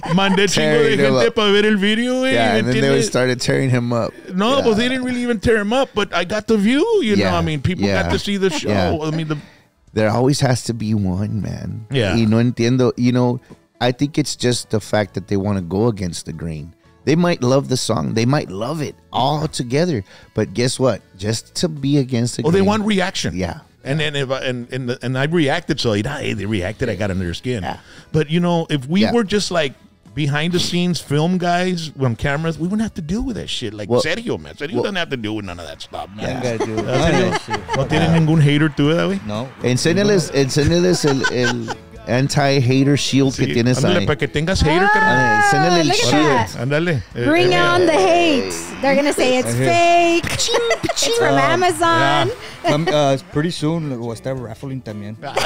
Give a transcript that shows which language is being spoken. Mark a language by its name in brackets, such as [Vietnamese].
[Spanish] Mandé chingo de gente para ver el video, güey. [English] Yeah, and then they started tearing him up. No, but they didn't really even tear him up, but I got the view, you know. I mean, people got to see the show. Yeah. I mean, there always has to be one, man. Yeah. [Spanish] Y no entiendo. [English] You know, I think it's just the fact that they want to go against the grain. They might love the song. They might love it all together. But guess what? Just to be against the game. Oh, they want reaction. Yeah. And then I reacted. So, hey, they reacted. I got under their skin. Yeah. But, you know, if we were just like behind the scenes film guys on cameras, we wouldn't have to deal with that shit. Like, Sergio, man. Sergio doesn't have to deal with none of that stuff, man. [Spanish] No tiene ningún hater tú, ¿eh? No. Enséñales el anti-hater shield que tienes ahí. Para que tengas hater. [English] Send el shield. [Spanish] Andale. [English] Bring on the hate. They're going to say it's fake. It's from Amazon. Yeah. Pretty soon, we'll start raffling también.